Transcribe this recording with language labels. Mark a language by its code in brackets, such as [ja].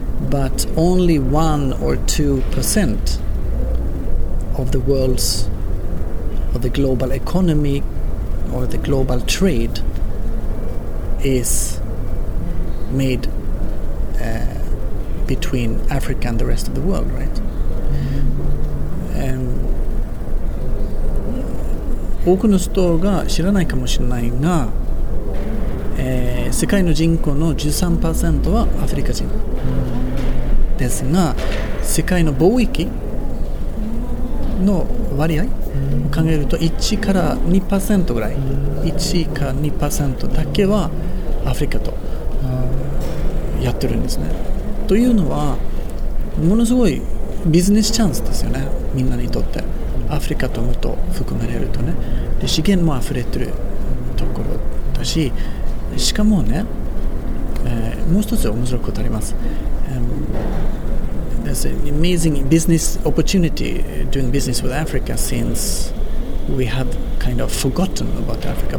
[en] But only 1-2% of the world's, of the global economy. Or the global trade is made between Africa and the rest of the world, right? [ja] And 多くの人が知らないかもしれないが、世界の人口の 13% はアフリカ人ですが、世界の貿易の割合考えると1-2%ぐらい、1-2%だけはアフリカとやってるんですね。というのはものすごいビジネスチャンスですよね、みんなにとって。アフリカと元含まれるとね、で資源もあふれてるところだし、しかもね、もう一つ面白いことあります。 [en] There's an amazing business opportunity doing business with Africa since we have kind of forgotten about Africa.